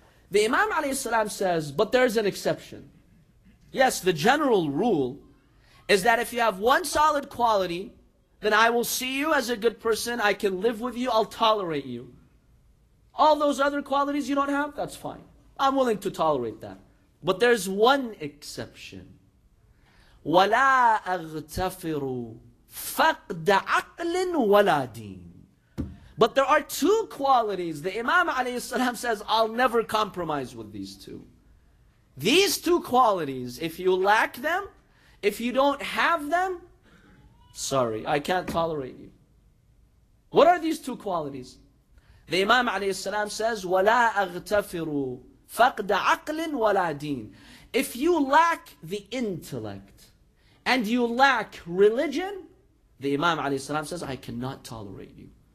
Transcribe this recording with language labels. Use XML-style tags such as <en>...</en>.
<en>The Imam alayhi salam says, but there is an exception. Yes, the general rule is that if you have one solid quality, then I will see you as a good person, I can live with you, I'll tolerate you. All those other qualities you don't have, that's fine. I'm willing to tolerate that. But there's one exception.</en> <ar>وَلَا أَغْتَفِرُوا فَقْدَ عَقْلٍ وَلَا دِينٍ</ar> <en>But there are two qualities. The Imam alayhi salam says, I'll never compromise with these two. These two qualities, if you lack them, if you don't have them, sorry, I can't tolerate you. What are these two qualities? The Imam alayhi salam says,</en> <ar>وَلَا أَغْتَفِرُوا فَقْدَ عَقْلٍ وَلَا دِينٍ</ar> <en>If you lack the intellect, and you lack religion, the Imam alayhi salam says, I cannot tolerate you.</en>